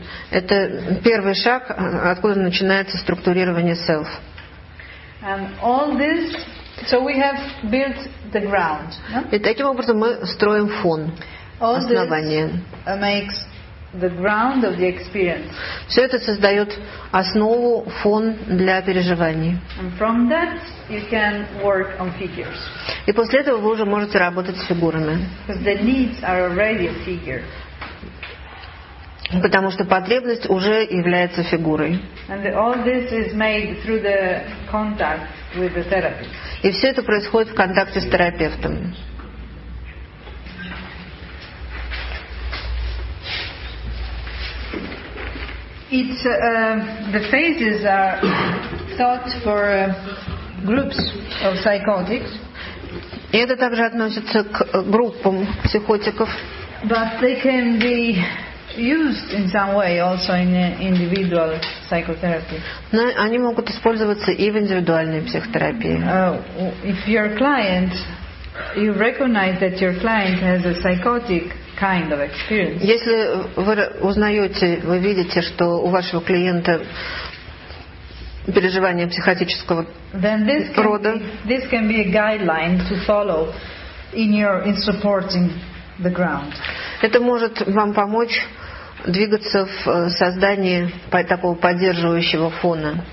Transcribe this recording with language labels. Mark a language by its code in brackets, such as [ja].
[ru] Это первый шаг, откуда начинается структурирование self. [en] All this, so we have built the ground. [ru] И таким образом мы строим фон, основание. [en] Makes the ground of the experience. [ru] Все это создает основу, фон для переживаний. [en] And from that you can work on figures. [ru] И после этого вы уже можете работать с фигурами. [en] Because the needs are already a figure. [ru] Потому что потребность уже является фигурой. [en] And all this is made through the contact with the therapist. [ru] И все это происходит в контакте с терапевтом. [en] It's the phases are thought for groups of psychotics. [ru] И это также относится к группам психотиков. [en] But they can be used in some way also in individual psychotherapy. [ru] Но они могут использоваться и в индивидуальной психотерапии. [en] If your client, you recognize that your client has a psychotic kind of experience. [ru] Если вы узнаете, вы видите, что у вашего клиента переживания психотического рода. [en] This can be a guideline to follow in your in supporting the ground. [ru] Это может вам помочь двигаться в создании такого поддерживающего фона.